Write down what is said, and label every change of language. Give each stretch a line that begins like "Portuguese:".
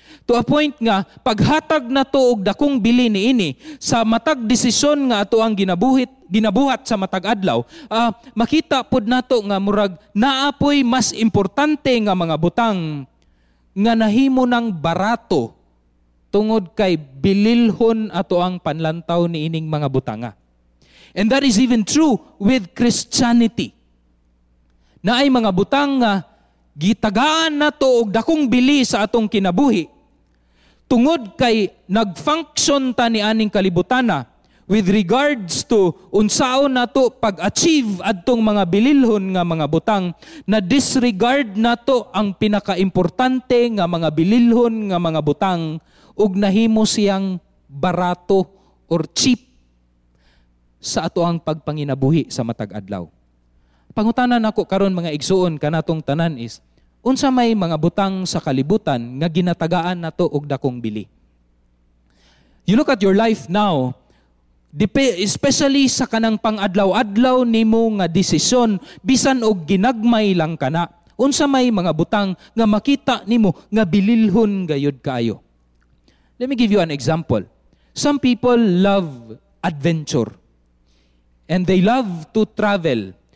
Cebuano: To a point nga, paghatag na to og dakong bili ni ini sa matag desisyon nga ato ang ginabuhat sa matag adlaw, makita pod nato nga murag naapoy mas importante nga mga butang nga nahimo nang barato tungod kay bililhon ato ang panlantaw ni ining mga butanga.
English: And that is even true with Christianity.
Cebuano: Na ay mga butang nga gitagaan na to og dakong bili sa atong kinabuhi tungod kay nag-function ta ni aning kalibutana
English: with regards to
Cebuano: unsaon nato pag-achieve adtong mga bililhon nga mga butang, na disregard nato ang pinaka-importante nga mga bililhon nga mga butang ug nahimo siyang barato or cheap sa ato ang pagpanginabuhi sa matag adlaw. Pangutana nako karon mga igsuon kanatong tanan is unsa may mga butang sa kalibutan nga ginatagaan nato og dakong bili.
English: You look at your life now, especially
Cebuano: sa kanang pang-adlaw-adlaw nimo nga desisyon, bisan og ginagmay lang kana, unsa may mga butang nga makita nimo nga bililhon gayud kaayo.
English: Let me give you an example. Some people love adventure and they love to travel.